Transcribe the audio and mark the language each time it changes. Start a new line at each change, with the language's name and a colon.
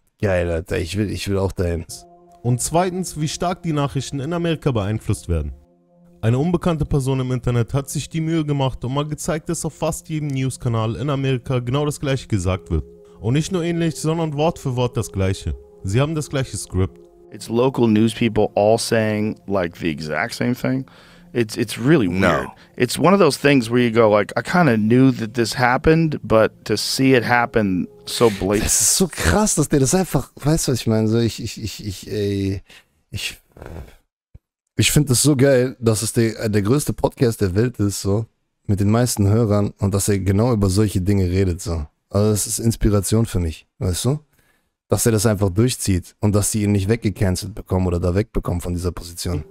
German: Geil, Alter, ich will auch dahin. Und zweitens, wie stark die Nachrichten in Amerika beeinflusst werden. Eine unbekannte Person im Internet hat sich die Mühe gemacht und mal gezeigt, dass auf fast jedem Newskanal in Amerika genau das gleiche gesagt wird. Und nicht nur ähnlich, sondern Wort für Wort das gleiche. Sie haben das gleiche Script.
English: It's local news people all saying like the exact same thing. It's really weird. No. It's one of those things where you go like, I kind of knew that this happened, but to see it happen so blatant.
German: Das ist so krass, dass der das einfach, weißt du, was ich meine? So, ich finde das so geil, dass es der größte Podcast der Welt ist, so, mit den meisten Hörern und dass er genau über solche Dinge redet, so. Also das ist Inspiration für mich, weißt du? Dass er das einfach durchzieht und dass sie ihn nicht weggecancelt bekommen oder da wegbekommen von dieser Position.